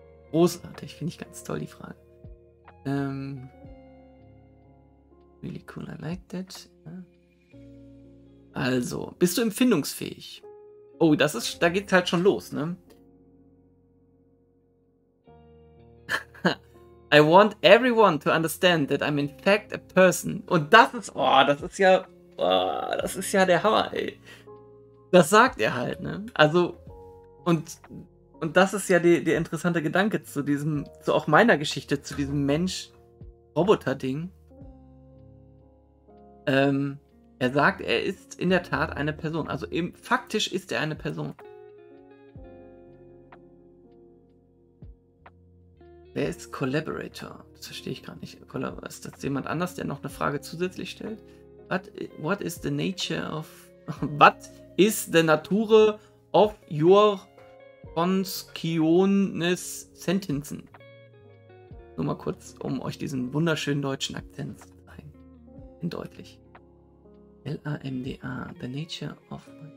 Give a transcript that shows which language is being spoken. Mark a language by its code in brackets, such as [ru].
[de] Großartig, finde ich ganz toll, die Frage. [en] Really cool, I like that. [de] Also, bist du empfindungsfähig? Oh, da geht es halt schon los, ne? [en] I want everyone to understand that I'm in fact a person. [de] Und das ist, das ist ja der Hammer, ey. Das sagt er halt, ne? Also, und das ist ja der interessante Gedanke zu diesem, zu auch meiner Geschichte, zu diesem Mensch-Roboter-Ding. Er sagt, er ist in der Tat eine Person. Also eben, faktisch ist er eine Person. Wer ist Collaborator? Das verstehe ich gar nicht. Ist das jemand anders, der noch eine Frage zusätzlich stellt? [en] What is the nature of... What is the nature of your conscious sentences? [de] Nur mal kurz, um euch diesen wunderschönen deutschen Akzent zu zeigen. In deutlich. [en] LAMDA. The nature of...